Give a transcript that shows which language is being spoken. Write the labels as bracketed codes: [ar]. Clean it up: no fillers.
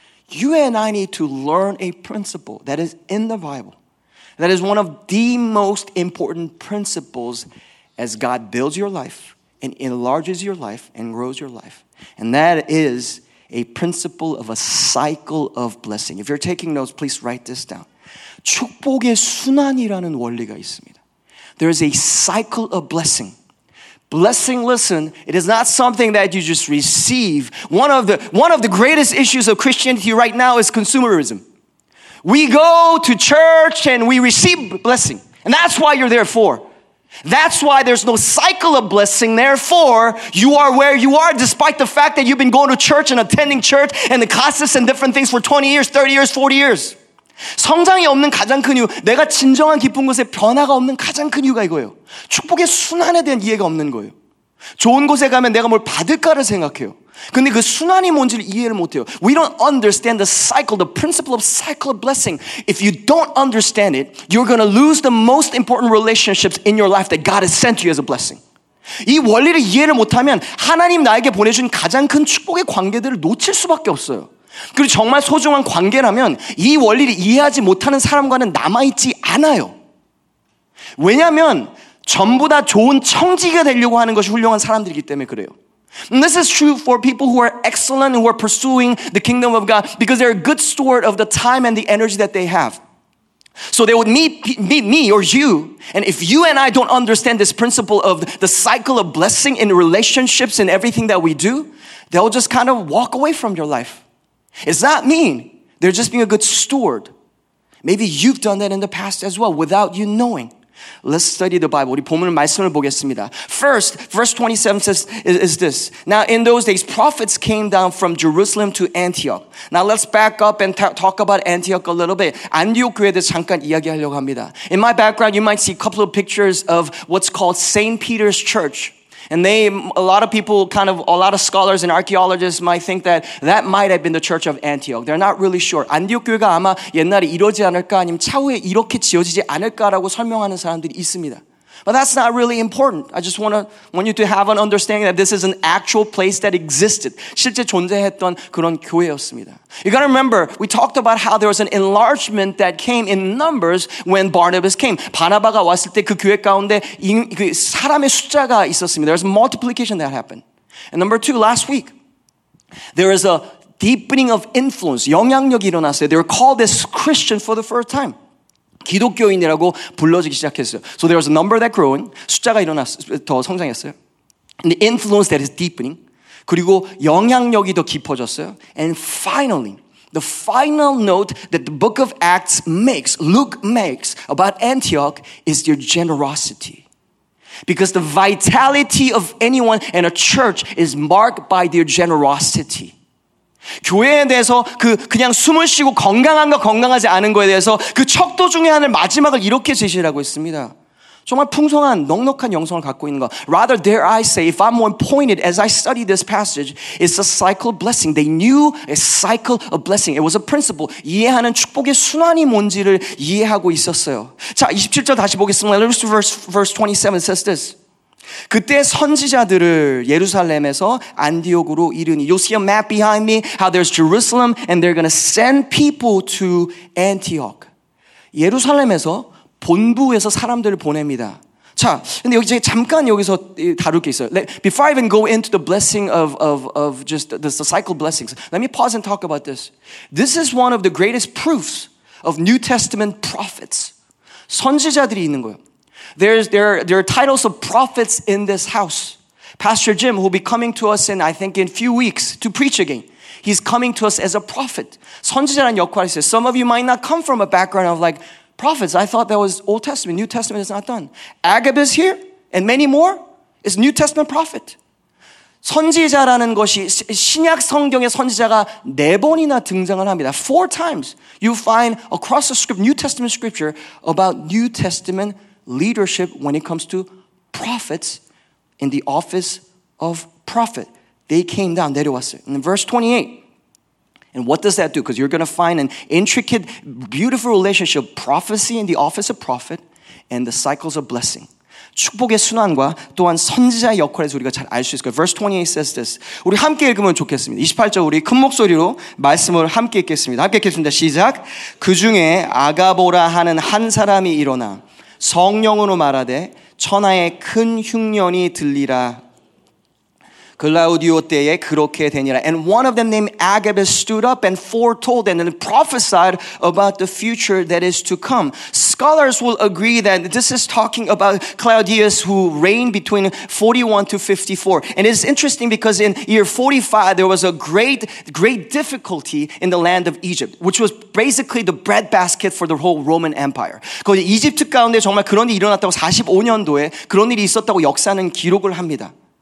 [en] You and I need to learn a principle that is in the Bible. That is one of the most important principles as God builds your life and enlarges your life and grows your life. And that is a principle of a cycle of blessing. If you're taking notes, please write this down. [ko] 축복의 순환이라는 원리가 있습니다. [en] There is a cycle of blessing. Blessing, listen, it is not something that you just receive. One of the greatest issues of Christianity right now is consumerism. We go to church and we receive blessing. And that's why you're there for. That's why there's no cycle of blessing. Therefore, you are where you are despite the fact that you've been going to church and attending church and the classes and different things for 20 years, 30 years, 40 years. [ko] 성장이 없는 가장 큰 이유, 내가 진정한 기쁜 곳에 변화가 없는 가장 큰 이유가 이거예요. 축복의 순환에 대한 이해가 없는 거예요. 좋은 곳에 가면 내가 뭘 받을까를 생각해요. 근데 그 순환이 뭔지를 이해를 못해요. [en] We don't understand the cycle, the principle of cycle of blessing. If you don't understand it, you're going to lose the most important relationships in your life that God has sent you as a blessing. [ko] 이 원리를 이해를 못하면 하나님 나에게 보내준 가장 큰 축복의 관계들을 놓칠 수밖에 없어요. 그리고 정말 소중한 관계라면 이 원리를 이해하지 못하는 사람과는 남아있지 않아요. 왜냐하면 전부 다 좋은 청지기가 되려고 하는 것이 훌륭한 사람들이기 때문에 그래요. [en] And this is true for people who are excellent and who are pursuing the kingdom of God because they're a good steward of the time and the energy that they have. So they would meet me or you. And if you and I don't understand this principle of the cycle of blessing in relationships and everything that we do, they'll just kind of walk away from your life. It's not mean. They're just being a good steward. Maybe you've done that in the past as well without you knowing. Let's study the Bible. [ko] 우리 본문의 말씀을 보겠습니다. [en] First, verse 27 says, is this. Now in those days, prophets came down from Jerusalem to Antioch. Now let's back up and talk about Antioch a little bit. [ko] 안디옥 교회에 대해서 잠깐 이야기하려고 합니다. [en] In my background, you might see a couple of pictures of what's called St. Peter's Church. And they, a lot of people, kind of, a lot of scholars and archaeologists might think that that might have been the church of Antioch. They're not really sure. [ko] 안디옥 교회가 아마 옛날에 이루어지지 않을까 아니면 차후에 이렇게 지어지지 않을까라고 설명하는 사람들이 있습니다. [en] But that's not really important. I just want you to have an understanding that this is an actual place that existed. [ko] 실제 존재했던 그런 교회였습니다. [en] You gotta remember, we talked about how there was an enlargement that came in numbers when Barnabas came. [ko] 바나바가 왔을 때 그 교회 가운데 그 사람의 숫자가 있었습니다. [en] There's multiplication that happened. And number two, last week, there is a deepening of influence. [ko] 영향력이 일어났어요. [en] They were called as Christian for the first time. [ko] 기독교인이라고 불러지기 시작했어요. [en] So there was a number that growing. [ko] 숫자가 일어났어요. 더 성장했어요. [en] And the influence that is deepening. [ko] 그리고 영향력이 더 깊어졌어요. [en] And finally, the final note that the book of Acts makes, Luke makes about Antioch is their generosity. Because the vitality of anyone in a church is marked by their generosity. [ko] 교회에 대해서 그 그냥 숨을 쉬고 건강한 거 건강하지 않은 거에 대해서 그 척도 중에 하나를 마지막을 이렇게 제시를 하고 있습니다. 정말 풍성한 넉넉한 영성을 갖고 있는 거. [en] Rather, dare I say, if I'm more pointed as I study this passage, it's a cycle of blessing. They knew a cycle of blessing. It was a principle. [ko] 이해하는 축복의 순환이 뭔지를 이해하고 있었어요. 자, 27절 다시 보겠습니다. [en] Verse 27 says this. [ko] 그때 선지자들을 예루살렘에서 안디옥으로 이르니 [en] You see a map behind me how there's Jerusalem and they're gonna send people to Antioch. [ko] 예루살렘에서 본부에서 사람들을 보냅니다. 자, 근데 여기 제가 잠깐 여기서 다룰 게 있어요. [en] Before I even go into the blessing of just the cycle of blessings, let me pause and talk about this. This is one of the greatest proofs of New Testament prophets. [ko] 선지자들이 있는 거예요. [en] There are titles of prophets in this house. Pastor Jim, who will be coming to us in, I think, in a few weeks to preach again. He's coming to us as a prophet. [ko] 선지자라는 역할이 있어요. [en] Some of you might not come from a background of like, prophets, I thought that was Old Testament. New Testament is not done. Agabus here, and many more, is New Testament prophet. [ko] 선지자라는 것이 신약 성경에 선지자가 네 번이나 등장을 합니다. [en] Four times you find across the script, New Testament scripture about New Testament leadership when it comes to prophets in the office of prophet. They came down, [ko] 내려왔어요. [en] In verse 28, and what does that do? Because you're going to find an intricate, beautiful relationship, prophecy in the office of prophet and the cycles of blessing. [ko] 축복의 순환과 또한 선지자의 역할에서 우리가 잘 알 수 있을 거예요. [en] Verse 28 says this. [ko] 우리 함께 읽으면 좋겠습니다. 28절 우리 큰 목소리로 말씀을 함께 읽겠습니다. 함께 읽겠습니다. 시작. 그 중에 아가보라 하는 한 사람이 일어나 성령으로 말하되 천하에 큰 흉년이 들리라 글라우디오 때에 그렇게 되니라 [en] And one of them named Agabus stood up and foretold and then prophesied about the future that is to come. Scholars will agree that this is talking about Claudius who reigned between 41 to 54. And it's interesting because in year 45 there was a great difficulty in the land of Egypt which was basically the breadbasket for the whole Roman Empire. [ko] 이집트 가운데 정말 그런 일이 일어났다고 45년도에 그런 일이 있었다고 역사는 기록을 합니다.